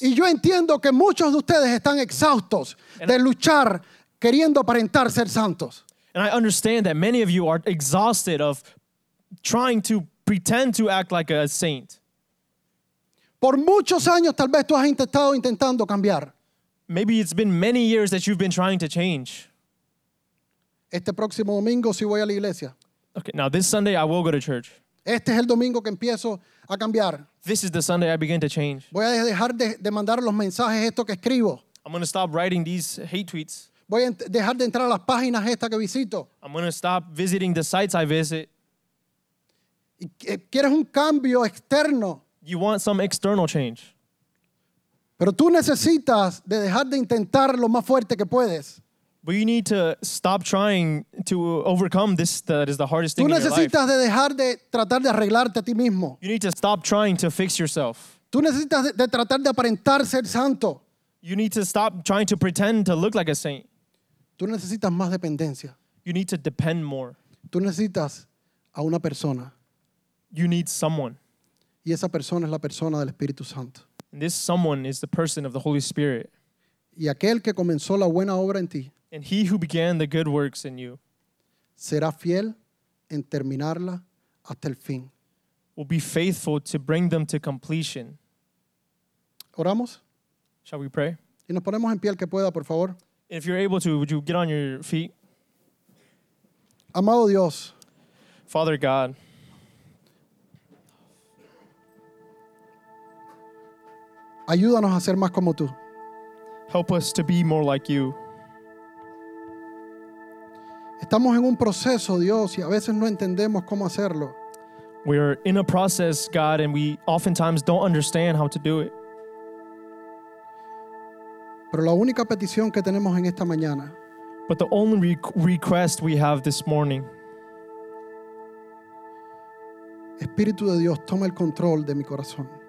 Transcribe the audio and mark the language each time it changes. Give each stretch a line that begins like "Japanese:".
Spanish: Y yo entiendo que muchos de ustedes están exhaustos de luchar queriendo aparentar ser santos.
English: And I understand that many of you are exhausted of trying to pretend to act like a saint.
Spanish: Por muchos años tal vez tú has intentando cambiar.
English: Maybe it's been many years that you've been trying to change.
Spanish: Este próximo domingo sí voy a la iglesia.
English: Okay, now this Sunday I will go to church.
Spanish: Este es el domingo que empiezo a cambiar.
English: This is the Sunday I begin to change.
Spanish: Voy a dejar de mandar los mensajes estos que escribo.
English: I'm going to stop writing these hate tweets.
Spanish: Voy a dejar de entrar a las páginas estas que visito.
English: I'm going to stop visiting the sites I visit.
Spanish: ¿Quieres un cambio externo?
English: You want some external change.
Spanish: Pero tú necesitas de dejar de intentar lo más fuerte que puedes.
English: But you need to stop trying to overcome this that is the hardest thing in your life.
Spanish: Tú necesitas de dejar de tratar de arreglarte a ti mismo.
English: You need to stop trying to fix yourself.
Spanish: Tú necesitas de tratar de aparentar ser santo.
English: You need to stop trying to pretend to look like a saint.
Spanish: Tú necesitas más dependencia.
English: You need to depend more.
Spanish: Tú necesitas a una persona.
English: You need someone.
Spanish: Y esa persona es la persona del Espíritu Santo.
English: And this someone is the person of the Holy Spirit.
Spanish: Y aquel que comenzó la buena obra en ti.
English: And he who began the good works in you.
Spanish: Será fiel en terminarla hasta el fin.
English: Will be faithful to bring them to completion.
Spanish: Oramos.
English: Shall we pray?
Spanish: Y nos ponemos en pie el que pueda, por favor.
English: If you're able to, would you get on your feet?
Spanish: Amado Dios.
English: Father God.
Spanish: Ayúdanos a ser más como tú.
English: Help us to be more like you.
Spanish: Estamos en un proceso, Dios, y a veces no entendemos cómo hacerlo.
English: We're in a process, God, and we oftentimes don't understand how to do it.
Spanish: Pero la única petición que tenemos en esta mañana.
English: But the only request we have this morning.
Spanish: Espíritu de Dios, toma el control de mi corazón.